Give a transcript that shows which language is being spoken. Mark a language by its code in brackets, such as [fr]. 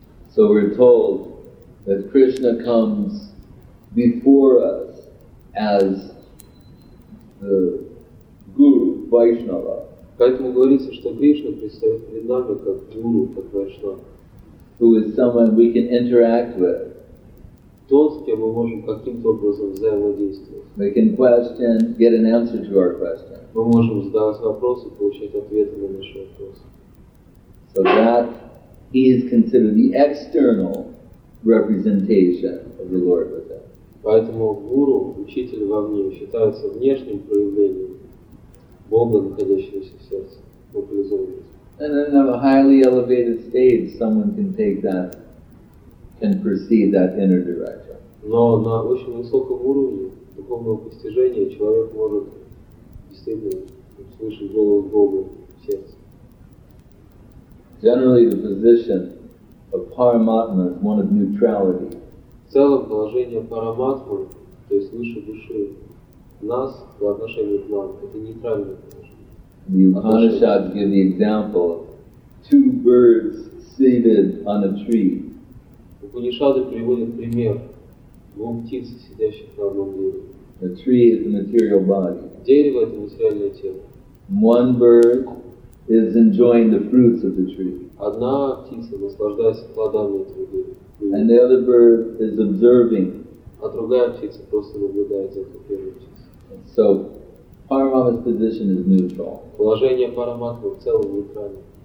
[en] So we're told that Krishna comes before us as the Guru, Vaishnava. [ru] Поэтому говорится, что Кришна предстает перед нами как гуру, как вайшнава. [en] Who is someone we can interact with. [ru] Тот, с кем мы можем каким-то образом взаимодействовать. [en] We can question, get an answer to our question. [ru] Мы можем задавать вопросы, получать ответы на наши вопросы. [en] So that he is considered the external representation of the Lord within. [ru] Поэтому гуру, учитель во мне, считается внешним проявлением Бога, находящегося в сердце, локализованного. [en] And in a highly elevated state, someone can take that, can perceive that inner direction. [ru] Но на очень высоком уровне духовного постижения человек может действительно услышать голос Бога в сердце. [en] Generally, the position of Paramatma is one of neutrality. [ru] В целом, положение Параматмы, то есть выше души, нас в отношении к нам это нейтральное положение. [en] The Upanishads give the example of two birds seated on a tree. [ru] Упанишады приводят пример двух птиц, сидящих на одном дереве. [en] The tree is the material body. [ru] Дерево — это материальное тело. [en] One bird is enjoying the fruits of the tree. [ru] Одна птица наслаждается плодами этого дерева. [en] And the other bird is observing. [ru] А другая птица просто наблюдает за этой первой птицей. [en] So, Paramatma's position is neutral. [ru] Положение Параматмы в целом нейтрально.